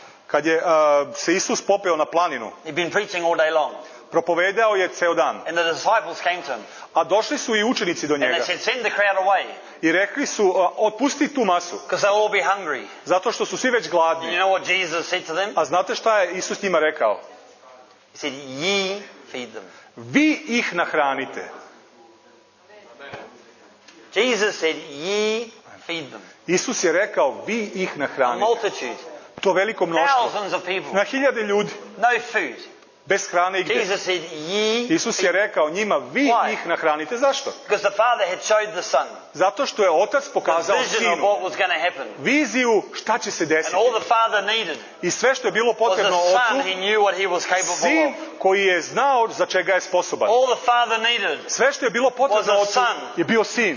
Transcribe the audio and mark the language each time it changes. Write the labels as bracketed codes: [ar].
[sr] Kad je se Isus popeo na planinu, [en] he'd been preaching all day long. [sr] Propovedao je ceo dan. [en] And the disciples came to him. [sr] A došli su i učenici do njega. [en] And they said, "Send the crowd away." [sr] I rekli su, otpusti tu masu. [en] Because they'll all be hungry. [sr] Zato što su svi već gladni. [en] You know what Jesus said to them? [sr] A znate šta je Isus njima rekao? [en] He said, "Ye feed them." [sr] Vi ih nahranite. [en] Jesus said, "Ye feed them." [sr] Isus je rekao, vi ih nahranite. [en] A multitude. [sr] To veliko mnoštvo. Na hiljade ljudi. [en] No food. [sr] Bez hrane i gdje. Isus je rekao njima, vi ih nahranite. Zašto? [en] Because the Father had showed the Son. [sr] Zato što je Otac pokazao Sinu viziju šta će se desiti. [en] And all the Father needed. [sr] I sve što je bilo potrebno Otcu, [en] he knew what he was capable of. [sr] Sin koji je znao za čega je sposoban. [en] All the Father needed. [sr] Sve što je bilo potrebno Otcu je bio Sin